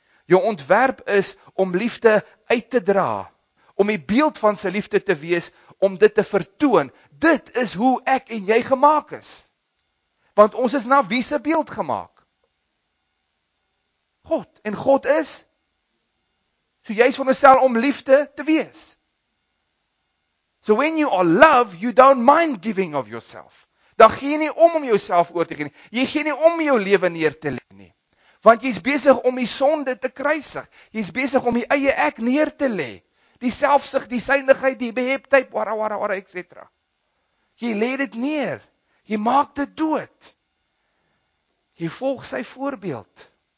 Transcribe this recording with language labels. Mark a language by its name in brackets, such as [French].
[Afrikaans] Jou ontwerp is om liefde uit te dra, om die beeld van sy liefde te wees, om dit te vertoon. Dit is hoe ek en jy gemaak is. Want ons is na wie se beeld gemaak? God. En God is? So jy is veronderstel om liefde te wees. [English] So when you are love, you don't mind giving of yourself. [Afrikaans] Dan gee jy nie om jouself oor te gee nie. Jy gee nie om jou lewe neer te lê nie. Want jy is besig om die sonde te kruisig. Jy is besig om die eie ek neer te lê. Die selfsug, die synigheid, die beheptheid, wara, et cetera. Jy lê dit neer. Jy maak dit dood. Jy volg sy voorbeeld.